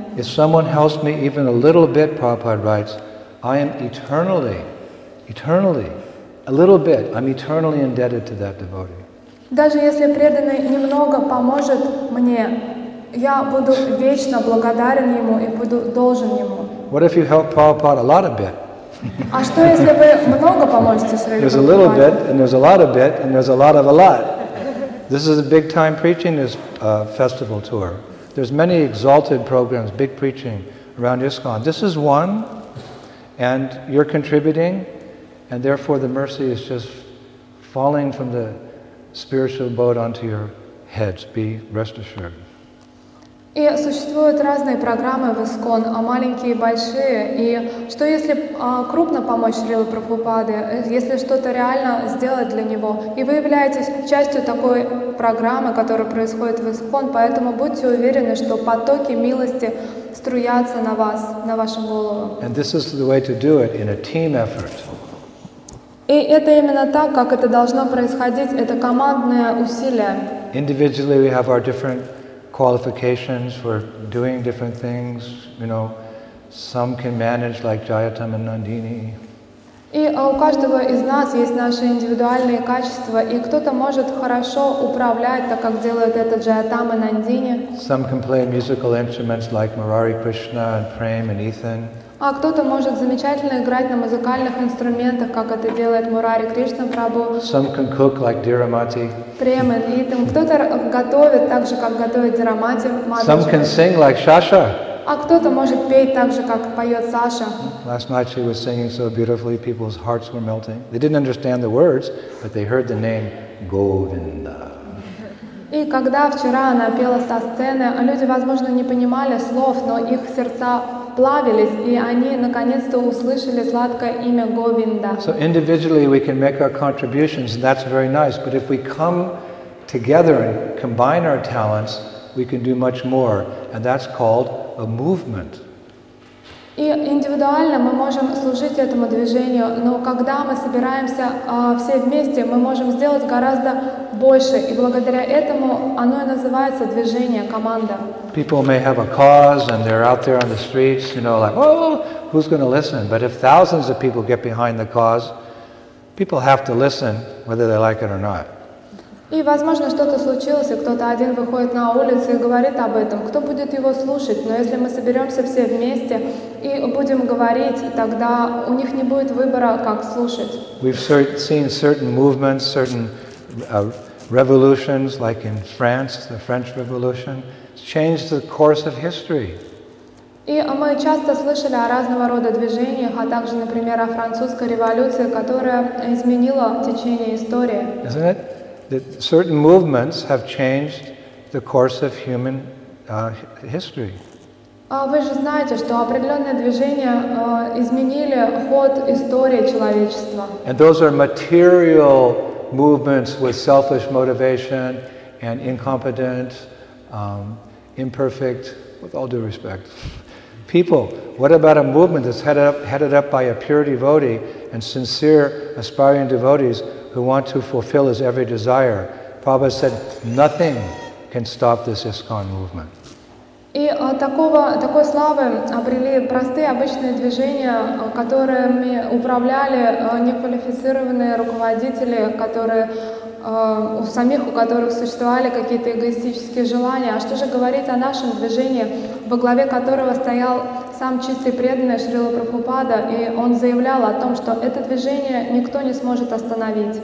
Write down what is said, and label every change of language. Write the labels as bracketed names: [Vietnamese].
[English] If someone helps me even a little bit, Prabhupada writes, I am eternally, eternally, a little bit, I'm eternally indebted to that devotee. [Russian] Даже если преданный немного поможет мне, я буду вечно благодарен ему и буду должен ему. [English] What if you help Prabhupada a lot of bit? [Russian] А что, если вы много поможете Шриле Прабхупаде? [English] There's a little bit, and there's a lot of bit, and there's a lot of a lot. This is a big time preaching, this festival tour. There's many exalted programs, big preaching around ISKCON. This is one, and you're contributing, and therefore the mercy is just falling from the spiritual boat onto your heads. Be rest assured. [Russian] И существуют разные программы в ИСКОН, маленькие и большие. И что если крупно помочь Шриле Прабхупаде, если что-то реально сделать для него? И вы являетесь частью такой программы, которая происходит в ИСКОН, поэтому будьте уверены, что потоки милости струятся на вас, на вашу голову. [English] And this is the way to do it in a team effort. [Russian] И это именно так, как это должно происходить. Это командное усилие. [English] Individually we have our different qualifications for doing different things, you know, some can manage like Jayatam and Nandini. [Russian] И у каждого из нас есть наши индивидуальные качества, и кто-то может хорошо управлять, так как делают это Джаятама и Нандини. [English] Some can play musical instruments like Murari Krishna and Prem and Ethan. [Russian] А кто-то может замечательно играть на музыкальных инструментах, как это делает Мурари Кришна Прабху. [English] Some can cook like Dhiramati. [Russian] Prem and Ethan. Кто-то готовит так же, как готовит Dhiramati. [English] Some can sing like Sasha. [Russian] А кто-то может петь так же, как поет Саша. [English] Last night she was singing so beautifully, people's hearts were melting. They didn't understand the words, but they heard the name Govinda. [Russian] И когда вчера она пела со сцены, люди, возможно, не понимали слов, но их сердца плавились, и они наконец-то услышали сладкое имя Говинда. [English] So individually we can make our contributions, and that's very nice. But if we come together and combine our talents, we can do much more, and that's called a movement. [Russian] И индивидуально мы можем служить этому движению, но когда мы собираемся все вместе, мы можем сделать гораздо больше. И благодаря этому оно и называется движение, команда. [English] People may have a cause and they're out there on the streets, you know, like, oh, who's going to listen? But if thousands of people get behind the cause, people have to listen, whether they like it or not. [Russian] И, возможно, что-то случилось, и кто-то один выходит на улицу и говорит об этом. Кто будет его слушать? Но если мы соберемся все вместе и будем говорить, тогда у них не будет выбора, как слушать. [English] We've seen certain movements, certain revolutions, like in France, the French Revolution, changed the course of history. [Russian] И мы часто слышали о разного рода движениях, а также, например, о французской революции, которая изменила течение истории. [English] Isn't it? That certain movements have changed the course of human history. [Russian] Вы же знаете, что определенные движения изменили ход истории человечества. [English] And those are material movements with selfish motivation and incompetent, imperfect, with all due respect, people. What about a movement that's headed up by a pure devotee and sincere aspiring devotees who want to fulfill his every desire? Prabhupada said, nothing can stop this ISKCON movement. [Russian] И такой славы обрели простые обычные движения, которыми управляли неквалифицированные руководители, которые у самих, у которых существовали какие-то эгоистические желания. А что же говорить о нашем движении, во главе которого стоял сам чистый преданный Шрила Прабхупада, и он заявлял о том, что это движение никто не сможет остановить.